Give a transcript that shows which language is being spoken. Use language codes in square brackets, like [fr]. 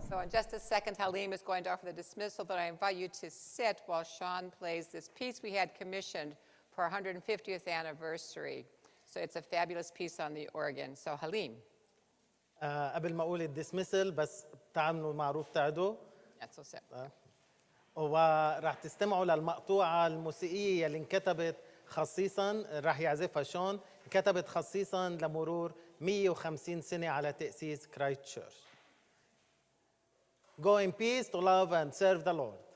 [en] Just a second, Halim is going to offer the dismissal, but I invite you to sit while Sean plays this piece we had commissioned for our 150th anniversary. So it's a fabulous piece on the organ. So Halim. [ar] قبل ما أقول الدسمسل بس تعملوا معروف تعدو. [en] That's so sad. [ar] وراح تستمعوا للمقطوعة الموسيقية اللي انكتبت خصيصا راح يعزفها شون انكتبت خصيصا لمرور 150 سنة على تأسيس كرايست تشيرش. [en] Go in peace to love and serve the Lord.